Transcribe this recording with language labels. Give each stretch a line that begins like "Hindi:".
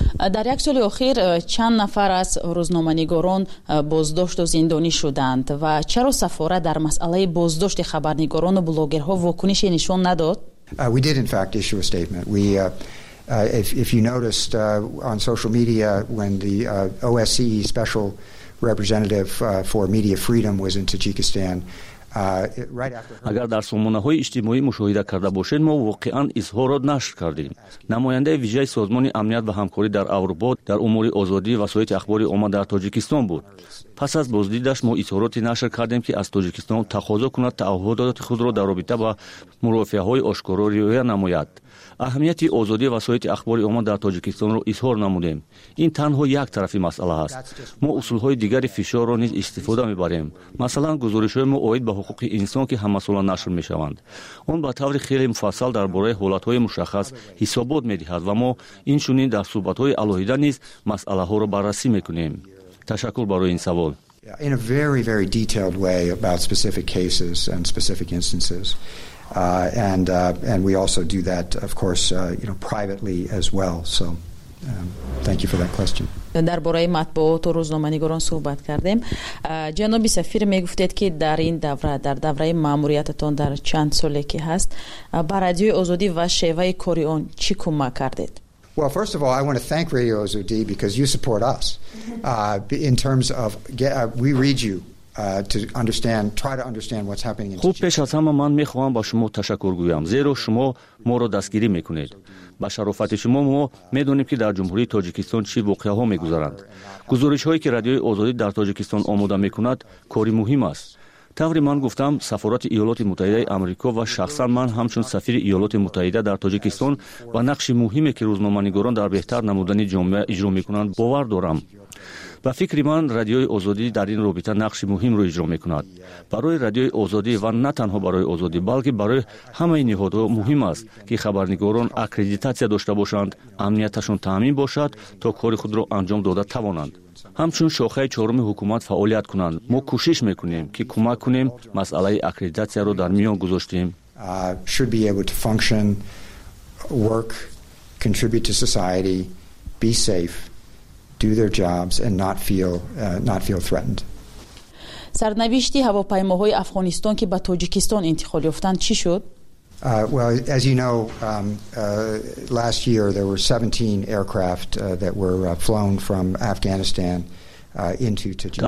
Tajik: дар як соли охир чанд нафар аз рӯзноманигорон боздошту зиндонӣ шуданд ва чаро сафорат дар масъалаи боздошти хабарнигорону блогерҳо вокуниши нишон надод
English: If you noticed on social media when the OSCE special representative for media freedom was in Tajikistan
Tajik: агар дар сомонаҳои иҷтимоӣ мушоҳида карда бошед мо воқеан изҳорот нашр кардем намояндаи вижаи созмони амният ва ҳамкорӣ дар аврупо дар умури озодии васоити ахбори омма дар тоҷикистон буд пас аз боздидаш мо изҳороте нашр кардем ки аз тоҷикистон тақозо кунад таъҳудоти худро дар робита ба мурофиаҳои ошкоро риоя намояд аҳамияти озодии васоити ахбори омма дар тоҷикистонро изҳор намудем ин танҳо як тарафи масъала аст мо усулҳои дигари фишорро низ истифода мебарем масалан гузоришҳои мо оид ба ҳуқуқи инсон ки ҳамасола нашр мешаванд он ба таври хеле муфассал дар бораи ҳолатҳои мушаххас ҳисобот медиҳад ва мо инчунин дар суҳбатҳои алоҳида низ масъалаҳоро баррасӣ мекунем ташаккур барои ин савол
English: in a very very detailed way about specific cases and specific instances and we also do that of course you know privately as well so thank you for that question
Tajik: дар бораи матбуот ва рӯзноманигорон суҳбат кардем ҷаноби сафир мегуфтед ки дар ин давра дар давраи маъмуриятатон дар чанд соле ки ҳаст ба радиои озодӣ ва шеваи кори он чӣ кӯмак кардед
English: Well, first of all, I want to thank Radio OZD because you support us. In terms of, we read you to understand, try to understand what's happening in Tajikistan.
Persian: خوب پیش از همه من میخواهم با شما تشکر گویم. زیرا شما ما را دستگیری میکنید. با شرافت شما ما میدونیم که در جمهوری تاجیکستان چی واقعه ها میگذارند. گزارش هایی که رادیوی آزادی در تاجیکستان آماده میکند کاری مهم است. طوری من گفتم سفارت ایالات متحده آمریکا و شخصا من همچون سفیر ایالات متحده در تاجیکستان و نقش مهمی که روزنامه‌نگاران در بهتر نمودن جامعه اجرا میکنند باور دارم. با فکر من رادیوی آزادی در این رابطه نقش مهم رو اجرا میکند. برای رادیوی آزادی و نه تنها برای آزادی بلکه برای همه نهادها مهم است که خبرنگاران اکریدیتاسیا داشته باشند، امنیتشون تامین باشد تا کار خود را انجام داده توانند. همچون شاخه چهارم حکومت فعالیت کنند. ما کوشش میکنیم که کمک کنیم مسئله اکریدیتاسیا رو در میان گذاشتیم.
English: Should be able to function, work, contribute to society, be safe. Do their jobs and not feel threatened. سرنوشتی هواپیماهای افغانستان که به تاجیکستان انتقال یافتند چی شد؟ Last year there were 17 aircraft that were flown from Afghanistan into Tajikistan.